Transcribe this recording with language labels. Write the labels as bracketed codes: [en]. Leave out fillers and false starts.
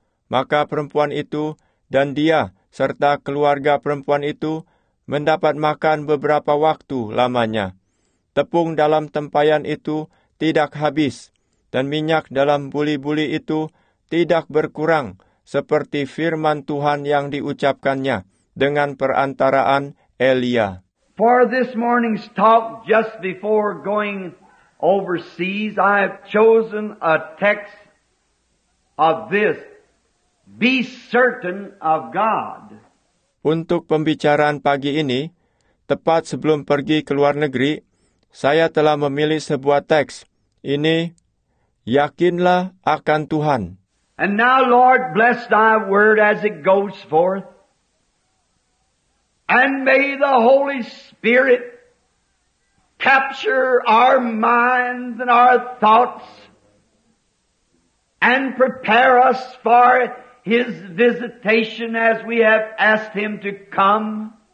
[id] Maka perempuan itu dan dia serta keluarga perempuan itu mendapat makan beberapa waktu lamanya. Tepung dalam tempayan itu tidak habis dan minyak dalam buli-buli itu tidak berkurang seperti firman Tuhan yang diucapkannya dengan perantaraan Elia. [en] For this morning's talk, just before going overseas, I have chosen a text of this. Be certain of God. [id] Untuk pembicaraan pagi ini, tepat sebelum pergi ke luar negeri, saya telah memilih sebuah teks. Ini, Yakinlah akan Tuhan. [en] And now, Lord, bless thy word as it goes forth. And may the Holy Spirit capture our minds and our thoughts and prepare us for His visitation as we have asked Him to come.